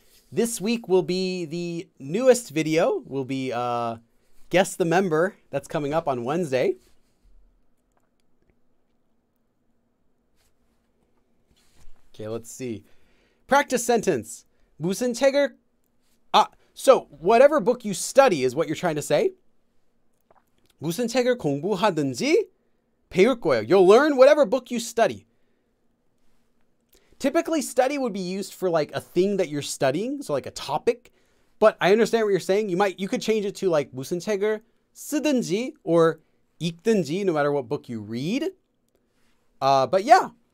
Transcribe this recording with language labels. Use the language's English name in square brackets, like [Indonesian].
[English] This week will be the newest video, will be Guess the Member. That's coming up on Wednesday. Okay, let's see. Practice sentence. [Korean] 무슨 책을, [English] so whatever book you study is what you're trying to say. [Korean] 무슨 책을 공부하든지 배울 거예요. [English] You'll learn whatever book you study. Typically, study would be used for like a thing that you're studying, so like a topic. But I understand what you're saying. You could change it to like [Korean] 무슨 책을 쓰든지 [English] or 읽든지, no matter what book you read. But yeah.